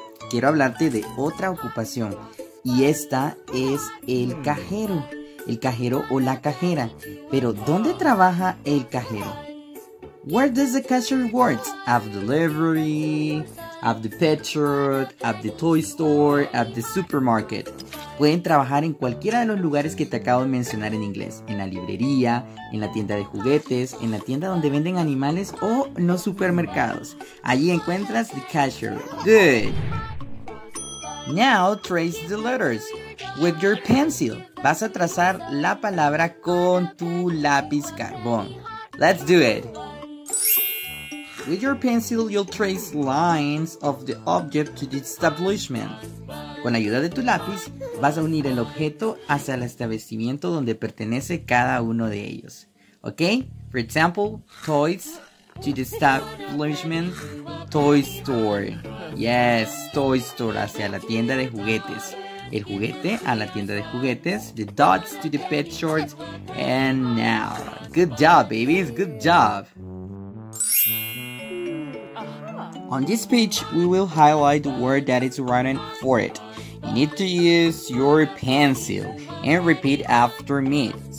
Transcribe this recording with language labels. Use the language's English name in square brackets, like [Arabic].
[Spanish] Quiero hablarte de otra ocupación. Y esta es el cajero. El cajero o la cajera. Pero, ¿dónde trabaja el cajero? [English] Where does the cashier work? At the delivery, at the pet shop, at the toy store, at the supermarket. [Spanish] Pueden trabajar en cualquiera de los lugares que te acabo de mencionar en inglés. En la librería, en la tienda de juguetes, en la tienda donde venden animales o en los supermercados. Allí encuentras [English] the cashier. Good. Now trace the letters with your pencil. [Spanish] Vas a trazar la palabra con tu lápiz carbón. [English] Let's do it. With your pencil, you'll trace lines of the object to the establishment. [Spanish] Con ayuda de tu lápiz, vas a unir el objeto hacia el establecimiento donde pertenece cada uno de ellos. ¿Ok? [English] For example, toys to the establishment, toy store. Yes, toy store, [Spanish] hacia la tienda de juguetes. El juguete a la tienda de juguetes, [English] the dots to the pet shorts, and now. Good job, babies, good job. On this page, we will highlight the word that is written for it. You need to use your pencil and repeat after me.